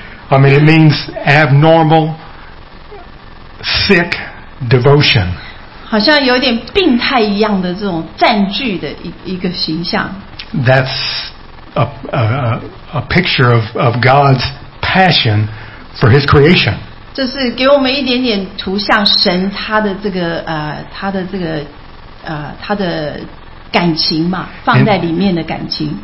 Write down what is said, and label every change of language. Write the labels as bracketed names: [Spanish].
[English] I mean, it means abnormal. Sick devotion. [Chinese] 好像有点病态一样的这种占据的一个形象。 [English] That's a picture of God's passion for His creation. [Chinese] 这是给我们一点点图像神他的这个他的这个他的感情嘛放在里面的感情。